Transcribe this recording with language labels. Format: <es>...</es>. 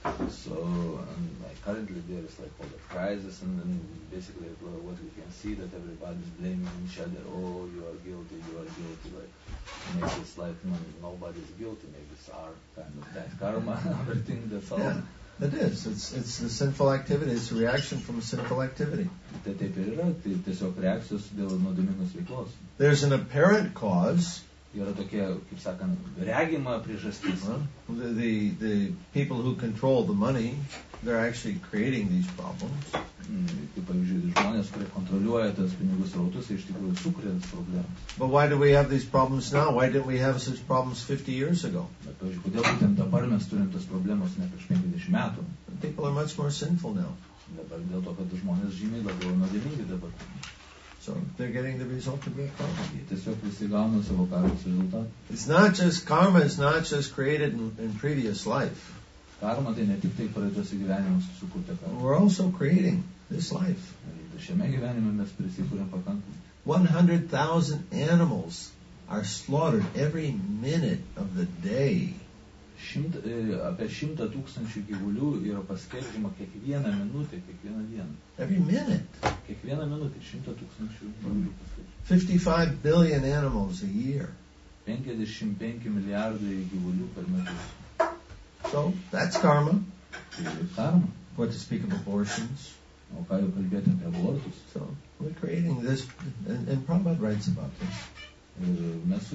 <en>So, and like currently there is like all the crisis, and then basically what we can see that everybody is blaming each other, oh, you are guilty, like, maybe it's like nobody is guilty, maybe it's our kind of bad karma, everything, that's all. Yeah, it is, it's the sinful activity, it's a reaction from a sinful activity.</en> <lt>Taip ir yra, tai tiesiog reakcijos dėl nuodėmingos veiklos.</lt> <en>There's an apparent cause.</en> <lt>Yra tokia, kaip sakant, regima priežastis.</lt> <en>The people who control the money, they're actually creating these problems.</en> <lt>Tai pavyzdžiui, žmonės, kurie kontroliuoja tas pinigų srautus, iš tikrųjų sukuria tas problemas.</lt> <en>But why do we have these problems now? Why didn't we have such problems 50 years ago?</en> <lt>Bet pavyzdžiui, kodėl būtent dabar mes turim tas problemas ne prieš 50 metų?</lt> <en>People are much more sinful now.</en> <lt>Dabar dėl to, kad žmonės žymiai labiau nuodėmingi dabar.</lt> <en>So they're getting the result of their karma.</en> <lt>Tiesiog visi gauna savo karmos rezultatą.</lt> <en>It's not just karma, it's not just created in previous life.</en> <lt>Karma tai ne tik tai praeituose gyvenimuose sukurta karma.</lt> <en>We're also creating this life.</en> <lt>Šiame gyvenime mes prisikūrėm pakankamai.</lt> <en>100,000 animals are slaughtered every minute of the day.</en> <lt>Apie 100,000 gyvulių yra paskelbima kiekvieną minutę, kiekvieną dieną.</lt> <en>Every minute.</en> <lt>Kiekvieną minutę 100,000 gyvulių paskelbima.</lt> <en>55 billion animals a year.</en> <lt>55 milijardai gyvulių per metus.</lt> <en>So, that's karma.</en> <lt>Tai karma.</lt> <en>What to speak of abortions.</en> <lt>O ką jau kalbėti apie abortus.</lt> <en>So, we're creating this, and Prabhupada writes about this.</en>